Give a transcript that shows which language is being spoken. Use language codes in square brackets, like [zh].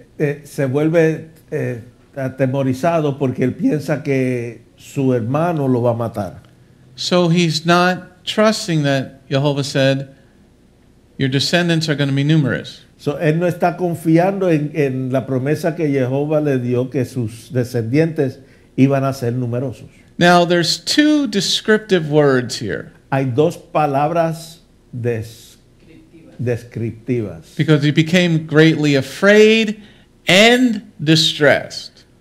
[es] Se vuelve atemorizado porque él piensa que su hermano lo va a matar. [en] So he's not trusting that Jehovah said, your descendants are going to be numerous. [es] So él no está confiando en la promesa que Jehovah le dio que sus descendientes iban a ser numerosos. [en] Now there's two descriptive words here. [es] Hay dos palabras descriptivas. [en] Because he became greatly afraid and distressed.